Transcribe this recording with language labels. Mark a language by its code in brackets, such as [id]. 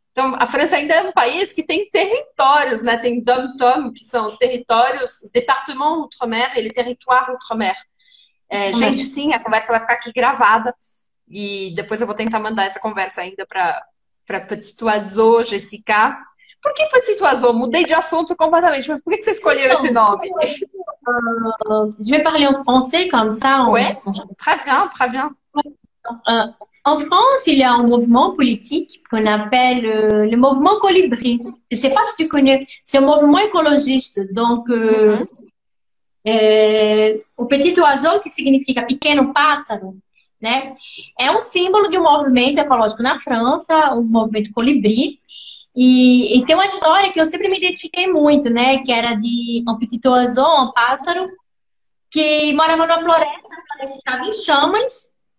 [pt] Então, a França ainda é um país que tem territórios, né? Tem dom-tom, que são os territórios, os départements outre-mer e le territoire outre-mer. É, gente, sim, a conversa vai ficar aqui gravada. E depois eu vou tentar mandar essa conversa ainda para Petit Oiseau, Jessica. Por que Petit Oiseau? Mudei de assunto completamente, mas por que que você escolheu esse Então, nome? [fr] je vais parler en français comme ça. Ouais, très bien. En France, il y a un mouvement politique qu'on appelle le mouvement Colibri. Je ne sais pas si tu connais, c'est un mouvement écologiste. [pt] Donc, o petit oiseau, que significa pequeno pássaro, né, é um símbolo de um movimento ecológico na França, o um movimento Colibri. E tem uma história que eu sempre me identifiquei muito, né, que era de um petit oiseau, um pássaro, que morava na floresta, estava em chamas.